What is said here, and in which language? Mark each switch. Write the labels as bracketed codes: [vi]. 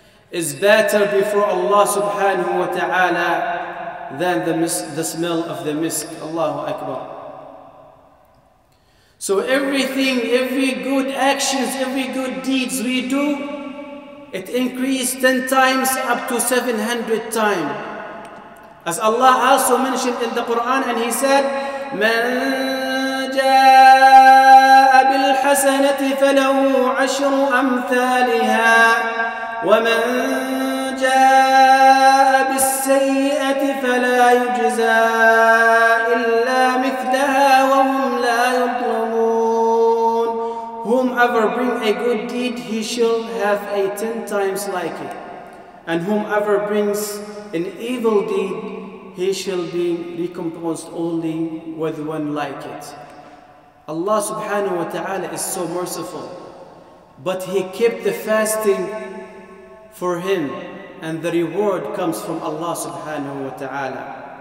[en] is better before Allah subhanahu wa ta'ala than the smell of the misk. Allahu Akbar. So everything, every good actions, every good deeds we do, it increased 10 times up to 700 times. As Allah also mentioned in the Quran, and He said, [ar] مَنْ جَاءَ بِالْحَسَنَةِ فَلَهُ عَشْرُ أَمْثَالِهَا وَمَنْ جَاءَ بِالسَّيِّئَةِ فَلَا يُجْزَى إِلَّا مِثْلَهَا وَهُمْ لَا يُظْلَمُونَ. [en] Whomever bring a good deed, he shall have a 10 times like it. And whomever brings an evil deed, he shall be recompensed only with one like it. Allah subhanahu wa ta'ala is so merciful. But He kept the fasting for him, and the reward comes from Allah subhanahu wa ta'ala.